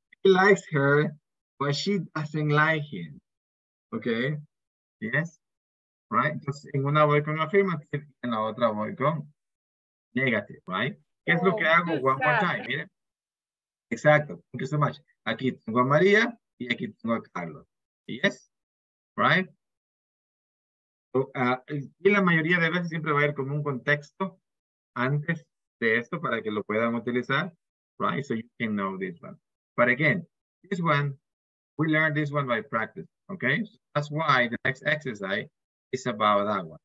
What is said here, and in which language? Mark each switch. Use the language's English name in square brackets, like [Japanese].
[English] He likes her, but she doesn't like him. Okay? Yes? Right? [Spanish] Entonces, en una voy con affirmative y en la otra voy con negative, right? ¿Qué es lo que hago? [English] One more time, [Spanish] mire. Exacto. [English] Thank you so much. [Spanish] Aquí tengo a María y aquí tengo a Carlos. Yes? Right? So, y la mayoría de veces siempre va a ir como un contexto antes de esto para que lo puedan utilizar, right? [English] So you can know this one. But again, this one, we learned this one by practice, okay? So that's why the next exercise it's about that one.